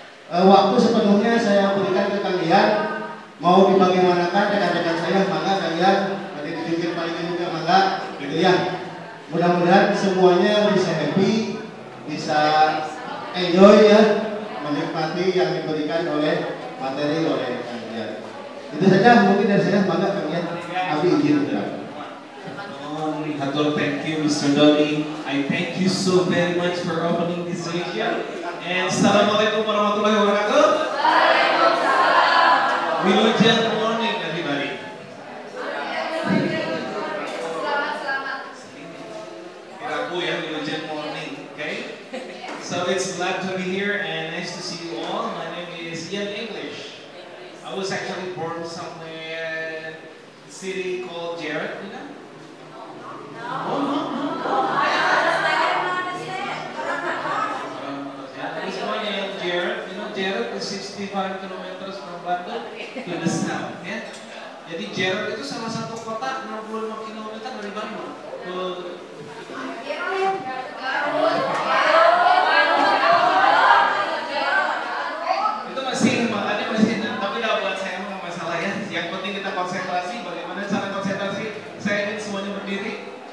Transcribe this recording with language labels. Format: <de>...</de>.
<id>Waktu sepenuhnya saya berikan ke Kang Ian. Mau dibagaimanakan rekan-rekan saya bangga kalian tadi dipikir paling ini juga bangga gitu ya. Mudah-mudahan semuanya bisa happy, bisa enjoy ya, menikmati yang diberikan oleh materi oleh kalian. Itu saja mungkin dari saya bangga kalian tapi izin juga.</id> <en>Oh, Hatur, thank you Mr. Doni. I thank you so very much for opening this session. And assalamualaikum warahmatullahi wabarakatuh. Good morning, everybody. Good morning, okay? So it's glad to be here and nice to see you all. My name is Ian English. I was actually born somewhere in a city called Jared, you know? No. Jared is 65 km from Bandung to the south, ya.</en> <id>Jadi Jared itu salah satu kota 65 km dari Bandung. Itu masih makanya masih enak, tapi enggak buat saya enggak masalah ya. Yang penting kita konsentrasi, bagaimana cara konsentrasi? Saya ingin semuanya berdiri.</id>